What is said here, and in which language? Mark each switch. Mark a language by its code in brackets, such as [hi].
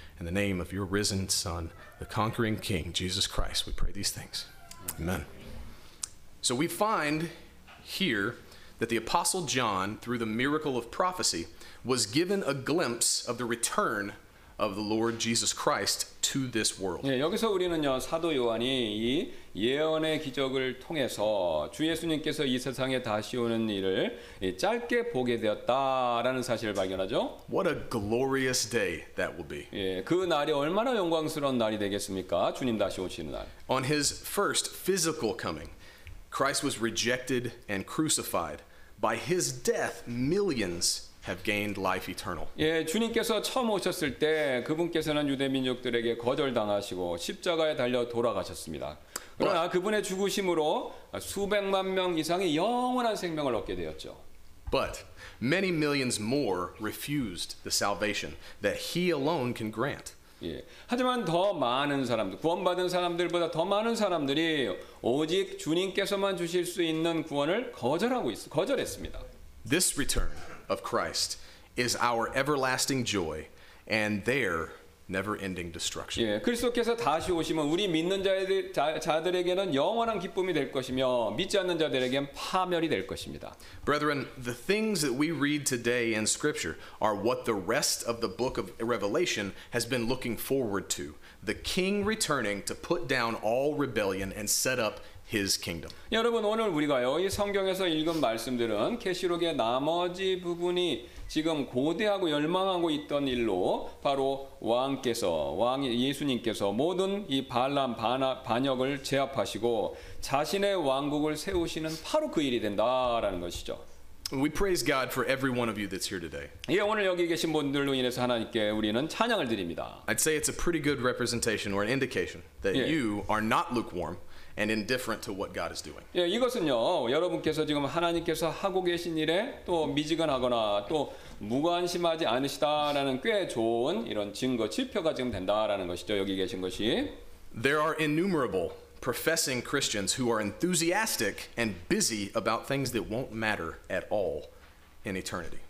[en] In the name of your risen Son, the conquering King, Jesus Christ, we pray these things. Amen. So we find here that the Apostle John, through the miracle of prophecy, was given a glimpse of the return of the Lord Jesus Christ to this world. [ko] 예, 여기서 우리는요, 사도 요한이 이 예언의 기적을 통해서 주 예수님께서 이 세상에 다시 오는 일을 이 짧게 보게 되었다라는 사실을 발견하죠. [en] What a glorious day that will be. [ko] 예, 그 날이 얼마나 영광스러운 날이 되겠습니까? 주님 다시 오시는 날. [en] On his first physical coming, Christ was rejected and crucified. By his death, millions have gained life eternal. [ko] 예, 주님께서 처음 오셨을 때 그분께서는 유대 민족들에게 거절당하시고 십자가에 달려 돌아가셨습니다. 그러나 그분의 죽으심으로 수백만 명 이상의 영원한 생명을 얻게 되었죠. [en] But many millions more refused the salvation that he alone can grant. [ko] 예, 하지만 더 많은 사람들, 구원받은 사람들보다 더 많은 사람들이 오직 주님께서만 주실 수 있는 구원을 거절했습니다. [en] This return of Christ is our everlasting joy and their never-ending destruction. [ko] 예, 그리스도께서 다시 오시면 우리 믿는 자들에게는 영원한 기쁨이 될 것이며 믿지 않는 자들에게는 파멸이 될 것입니다. [en] Brethren, the things that we read today in Scripture are what the rest of the book of Revelation has been looking forward to, the King returning to put down all rebellion and set up His kingdom. [ko] 여러분 오늘 우리가요 이 성경에서 읽은 말씀들은 계시록의 나머지 부분이 지금 고대하고 열망하고 있던 일로 바로 왕께서 왕이 예수님께서 모든 이 반란 반역을 제압하시고 자신의 왕국을 세우시는 바로 그 일이 된다라는 것이죠. [en] We praise God for every one of you that's here today. [ko] 예, 오늘 여기 계신 분들로 인해서 하나님께 우리는 찬양을 드립니다. [en] I'd say it's a pretty good representation or an indication that 예. you are not lukewarm and indifferent to what God is doing. [ko] 예, 이것은요, 여러분께서 지금 하나님께서 하고 계신 일에 또 미지근하거나 또 무관심하지 않으시다라는 꽤 좋은 이런 증거 지표가 지금 된다라는 것이죠. 여기 계신 것이. [en] There are innumerable professing Christians who are enthusiastic and busy about things that won't matter at all in eternity.